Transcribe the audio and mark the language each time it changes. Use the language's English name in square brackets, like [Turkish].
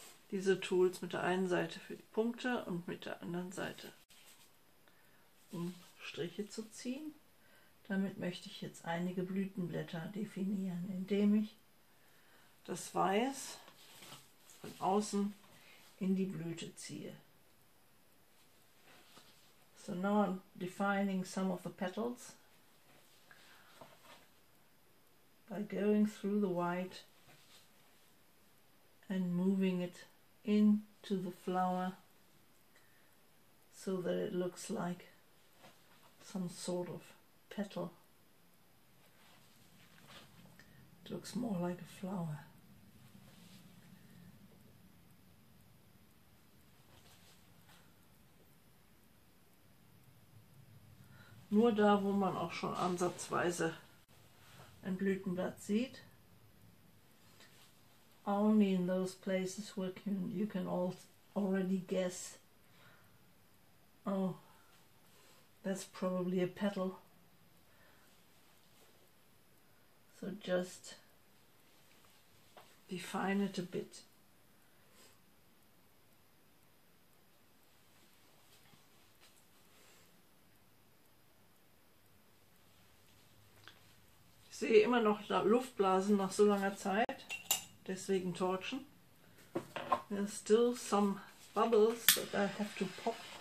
[German] Diese Tools mit der einen Seite für die Punkte und mit der anderen Seite, um Striche zu ziehen. Damit möchte ich jetzt einige Blütenblätter definieren, indem ich das Weiß von außen in die Blüte ziehe. [English] So now I'm defining some of the petals by going through the white and moving it into the flower so that it looks like some sort of petal. It looks more like a flower. [German] Nur da, wo man auch schon ansatzweise ein Blütenblatt sieht. [English] Only in those places where you can already guess, oh, that's probably a petal. So just define it a bit. [German] Ich sehe immer noch Luftblasen nach so langer Zeit, deswegen torchen. [English] There are still some bubbles that I have to pop.